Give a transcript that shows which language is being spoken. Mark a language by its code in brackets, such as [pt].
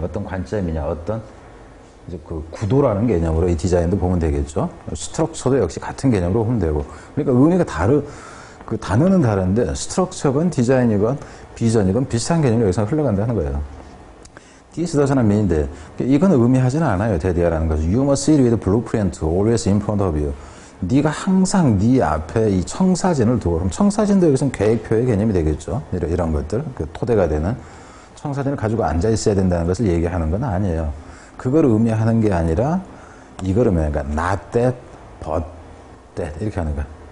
[ko] 어떤 관점이냐 어떤 이제 그 구도라는 개념으로 이 디자인도 보면 되겠죠. 스트럭처도 역시 같은 개념으로 보면 되고 그러니까 의미가 다른 그 단어는 다른데 스트럭처건 디자인이건 비전이건 비슷한 개념이 여기서 흘러간다는 거예요. [en] This doesn't mean [ko] 인데 이건 의미하지는 않아요. 대디아라는 것은 [en] You must sit with blueprint always in front of you. [ko] 네가 항상 네 앞에 이 청사진을 두고 그럼 청사진도 여기서는 계획표의 개념이 되겠죠. 이런 것들 그 토대가 되는 청사진을 가지고 앉아 있어야 된다는 것을 얘기하는 건 아니에요. 그걸 의미하는 게 아니라 이걸 의미하는 거야. [en] Not that, but that [ko] 이렇게 하는 거야.